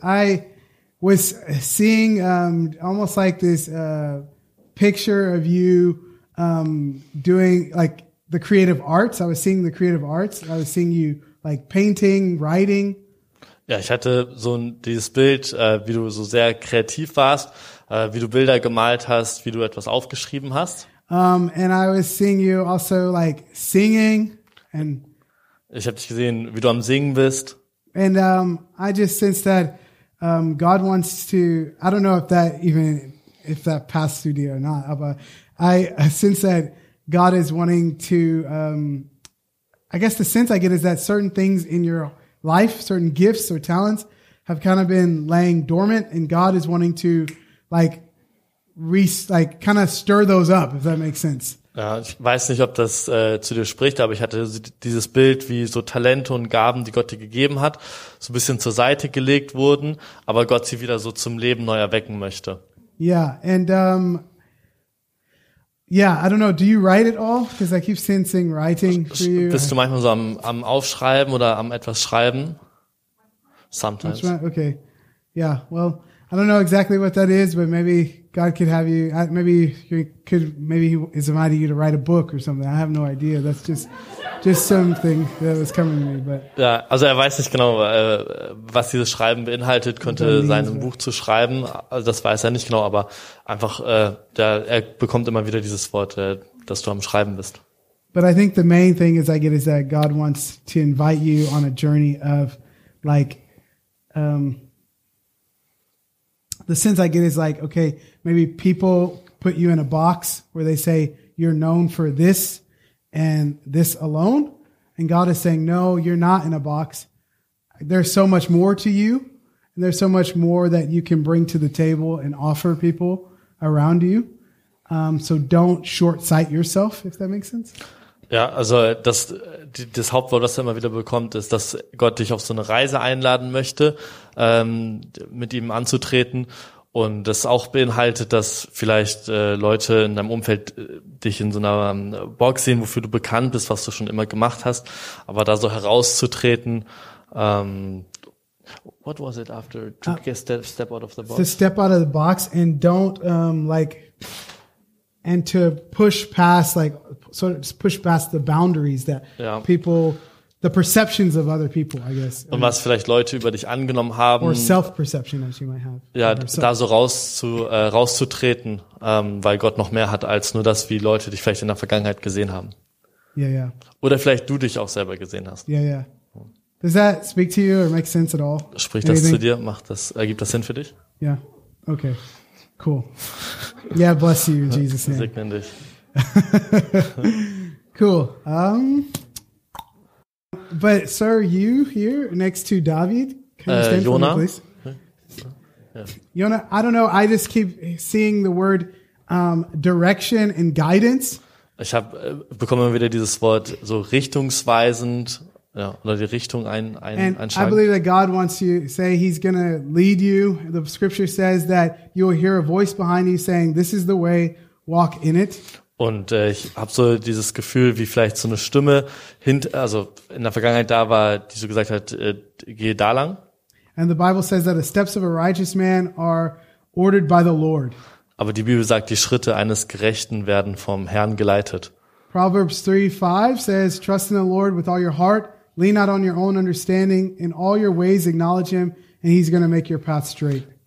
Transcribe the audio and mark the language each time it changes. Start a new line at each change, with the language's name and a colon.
English: I was seeing almost like this picture of you doing like the creative arts. I was seeing the creative arts. I was seeing you like painting, writing.
German: Ja, ich hatte so dieses Bild, wie du so sehr kreativ warst, wie du Bilder gemalt hast, wie du etwas aufgeschrieben hast.
English: And I was seeing you also like singing and
German: ich habe dich gesehen, wie du am Singen bist.
English: And I just sensed that God wants to, I don't know if that passed through you or not, aber I sense that God is wanting to I guess the sense I get is that certain things in your life, certain gifts or talents have kind of been laying dormant and God is wanting to like kind of stir those up, if that makes sense.
German: Ja, ich weiß nicht, ob das zu dir spricht, aber ich hatte dieses Bild, wie so Talente und Gaben, die Gott dir gegeben hat, so ein bisschen zur Seite gelegt wurden, aber Gott sie wieder so zum Leben neu erwecken möchte.
English: Yeah, and yeah, I don't know. Do you write at all? Because I keep sensing writing for you.
German: Bist du manchmal so am Aufschreiben oder am etwas Schreiben?
English: Sometimes. Okay. Yeah. Well, I don't know exactly what that is, but maybe God could have you. Maybe He is inviting you to write a book or something. I have no idea. That's just something that was coming to me. But
German: ja, also er weiß nicht genau, was dieses Schreiben beinhaltet. Könnte sein, ein Buch zu schreiben. Also das weiß er nicht genau, aber einfach, er bekommt immer wieder dieses Wort, dass du am Schreiben bist.
English: But I think the main thing is I get is that God wants to invite you on a journey of like. The sense I get is like, okay, maybe people put you in a box where they say you're known for this and this alone. And God is saying, no, you're not in a box. There's so much more to you. And there's so much more that you can bring to the table and offer people around you. So don't short sight yourself, if that makes sense.
German: Ja, also das Hauptwort, was er immer wieder bekommt, ist, dass Gott dich auf so eine Reise einladen möchte, mit ihm anzutreten. Und das auch beinhaltet, dass vielleicht Leute in deinem Umfeld dich in so einer Box sehen, wofür du bekannt bist, was du schon immer gemacht hast. Aber da so herauszutreten,
English: what was it after to step out of the box? To step out of the box and don't and to push past the boundaries that people, the perceptions of other people, I guess.
German: Und was vielleicht Leute über dich angenommen haben.
English: Or self-perception, as you might have.
German: Ja, da so rauszutreten, weil Gott noch mehr hat als nur das, wie Leute dich vielleicht in der Vergangenheit gesehen haben.
English: Yeah, yeah.
German: Oder vielleicht du dich auch selber gesehen hast.
English: Yeah, yeah. Does that speak to you or make sense at all?
German: Spricht das zu dir? Macht das, ergibt das Sinn für dich?
English: Yeah. Okay. Cool. Yeah, bless you in Jesus' name.
German: Segne dich.
English: Cool. But sir, you here next to David, can you stand Jonah? For me, please? Yeah. Jonah, I don't know. I just keep seeing the word direction and guidance.
German: Ich habe bekomme immer wieder dieses Wort so richtungsweisend, ja, oder die Richtung einschlagen.
English: I believe that God wants you say He's gonna lead you. The Scripture says that you will hear a voice behind you saying, "This is the way. Walk in it."
German: Und ich habe so dieses Gefühl, wie vielleicht so eine Stimme also in der Vergangenheit da war, die so gesagt hat, geh da lang.
English: And the Bible says that the steps of a righteous man are ordered by the Lord.
German: Aber die Bibel sagt, die Schritte eines Gerechten werden vom Herrn geleitet.
English: Proverbs 3:5 says, trust in the Lord with all your heart, lean not on your own understanding, in all your ways acknowledge him, and he's going to make your path straight.